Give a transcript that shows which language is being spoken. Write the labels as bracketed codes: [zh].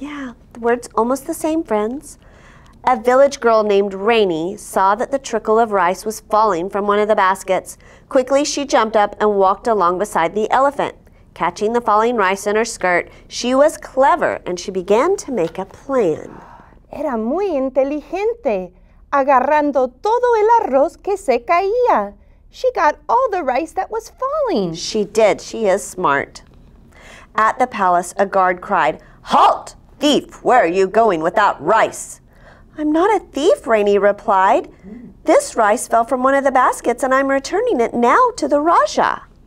[en] Yeah, the word's almost the same, friends. A village girl named Rainy saw that the trickle of rice was falling from one of the baskets. Quickly, she jumped up and walked along beside the elephant. Catching the falling rice in her skirt, she was clever and she began to make a plan. [es] Era muy inteligente, agarrando todo el arroz que se caía. [en] She got all the rice that was falling. She did. She is smart. At the palace, a guard cried, Halt! Thief! Where are you going without rice? I'm not a thief, Rainy replied. This rice fell from one of the baskets and I'm returning it now to the Raja.